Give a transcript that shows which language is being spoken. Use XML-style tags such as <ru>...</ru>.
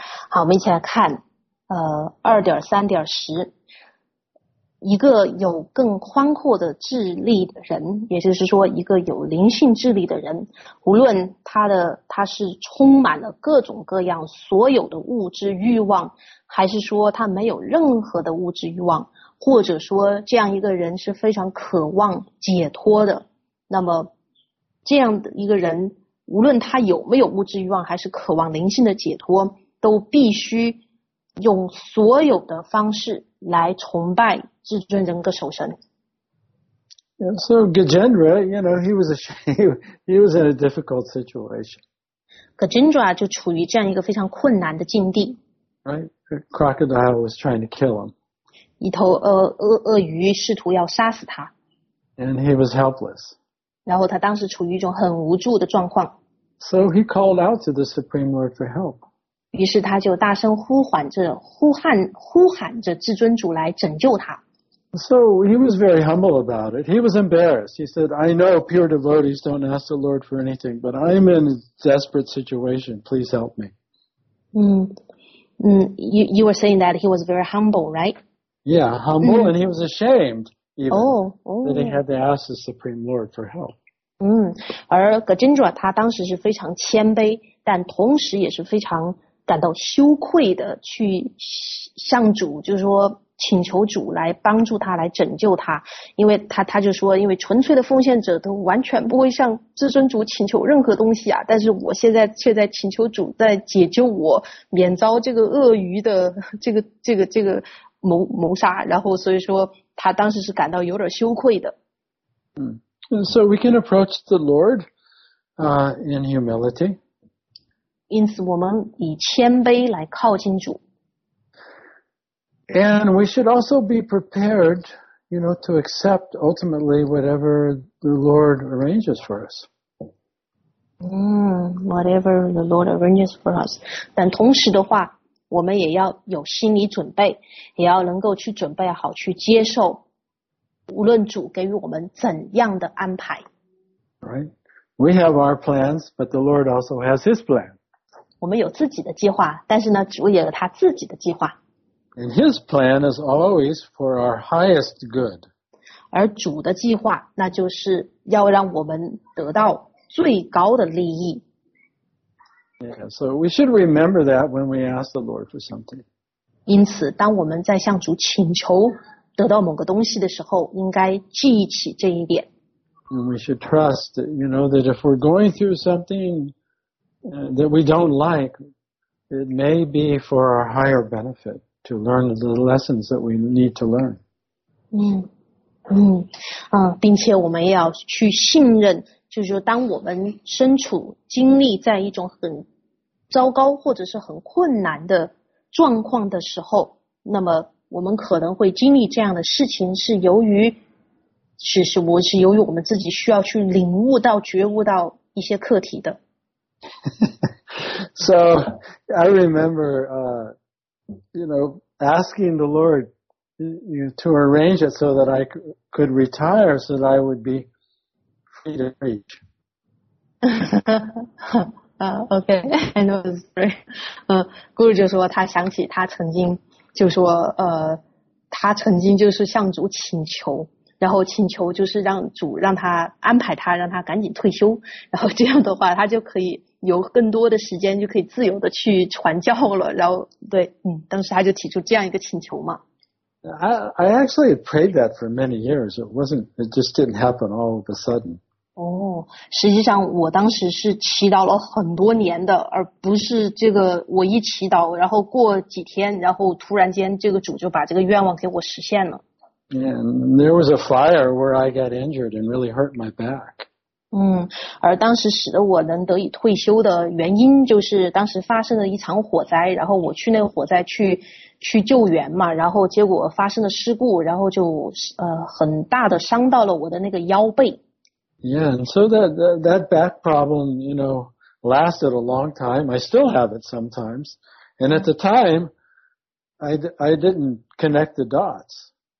<zh>好，我们一起来看，2.3.10，一个有更宽阔的智力的人，也就是说一个有灵性智力的人，无论他是充满了各种各样所有的物质欲望，还是说他没有任何的物质欲望，或者说这样一个人是非常渴望解脱的，那么这样的一个人，无论他有没有物质欲望还是渴望灵性的解脱，都必须用所有的方式来崇拜至尊人格守神。</zh> <en>Yeah, so Gajendra, you know, he was in a difficult situation.</en> <zh>Gajendra 就处于这样一个非常困难的境地。</zh> <en>Right, a crocodile was trying to kill him.</en> <zh>一头鳄鱼试图要杀死他。</zh> <en>And he was helpless.</en> <zh>然后他当时处于一种很无助的状况。</zh> <en>So he called out to the Supreme Lord for help.</en> <zh>于是他就大声呼唤着，呼喊着至尊主来拯救他。</zh> <en>So he was very humble about it. He was embarrassed. He said, I know pure devotees don't ask the Lord for anything, but I'm in a desperate situation. Please help me. You were saying that he was very humble, right? Yeah, humble, and he was ashamed even that he had to ask the Supreme Lord for help.</en> <zh>而葛真主他当时是非常谦卑，但同时也是非常感到羞愧的去向主，就是说请求主来帮助他，来拯救他，因为他就说，因为纯粹的奉献者都完全不会向至尊主请求任何东西啊，但是我现在却在请求主在解救我，免遭这个鳄鱼的这个谋杀，然后所以说他当时是感到有点羞愧的。</zh> <en>So we can approach the Lord, in humility.</en> <zh>因此我们以谦卑来靠近主。</zh> <en>And we should also be prepared, you know, to accept ultimately whatever the Lord arranges for us. Whatever the Lord arranges for us.</en> <zh>但同时的话，我们也要有心理准备，也要能够去准备好去接受，无论主给予我们怎样的安排。</zh> <en>Right. We have our plans, but the Lord also has his plan.</en> <zh>我们有自己的计划，但是呢，主也有他自己的计划。</zh> <en>And his plan is always for our highest good.</en> <zh>而主的计划，那就是要让我们得到最高的利益。</zh> <en>Yeah, so we should remember that when we ask the Lord for something.</en> <zh>因此，当我们在向主请求得到某个东西的时候，应该记起这一点。</zh> <en>And we should trust, you know, that if we're going through something that we don't like, it may be for our higher benefit. To learn the lessons that we need to learn.</en> <zh>并且我们要去信任，就是说当我们身处经历在一种很糟糕或者是很困难的状况的时候，那么我们可能会经历这样的事情，是由于我们自己需要去领悟到、觉悟到一些课题的。</zh> <en>So I remember, you know, asking the Lord, you know, to arrange it so that I could retire, so that I would be free to preach. okay, I know the story.</en> <zh>顾就说他想起他曾经就说他曾经就是向主请求，然后请求就是让主让他安排他让他赶紧退休，然后这样的话他就可以。有更多的时间就可以自由的去传教了，然后对，当时他就提出这样一个请求嘛。</zh> <en>I actually prayed that for many years. It just didn't happen all of a sudden.</en> <zh>实际上我当时是祈祷了很多年的，而不是这个我一祈祷，然后过几天，然后突然间这个主就把这个愿望给我实现了。</zh> <en>And there was a fire where I got injured and really hurt my back.</en> <zh>而当时使得我能得以退休的原因就是当时发生了一场火灾，然后我去那个火灾去救援嘛，然后结果发生了事故，然后就很大的伤到了我的那个腰背。</zh> <en>Yeah, and so that back problem, you know, lasted a long time. I still have it sometimes. And at the time, I didn't connect the dots.</en>